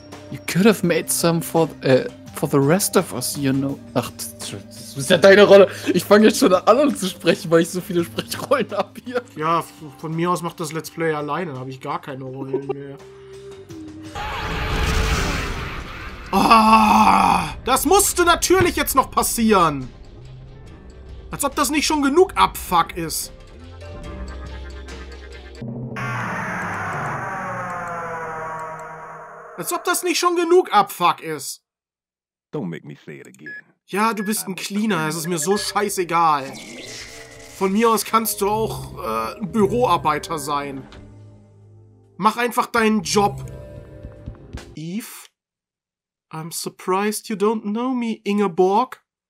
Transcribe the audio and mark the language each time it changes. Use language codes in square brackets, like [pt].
[en] You could have made some for the rest of us, you know. [de] Ach, das ist ja deine Rolle. Ich fange jetzt schon an, um zu sprechen, weil ich so viele Sprechrollen habe hier. Ja, von mir aus macht das Let's Play alleine. Dann habe ich gar keine Rolle mehr. Ah, das musste natürlich jetzt noch passieren. Als ob das nicht schon genug Abfuck ist. Als ob das nicht schon genug Abfuck ist. [en] Don't make me say it again. [de] Ja, du bist ein Cleaner, es ist mir so scheißegal. Von mir aus kannst du auch ein Büroarbeiter sein. Mach einfach deinen Job. [en] Eve? I'm surprised you don't know me, Ingeborg.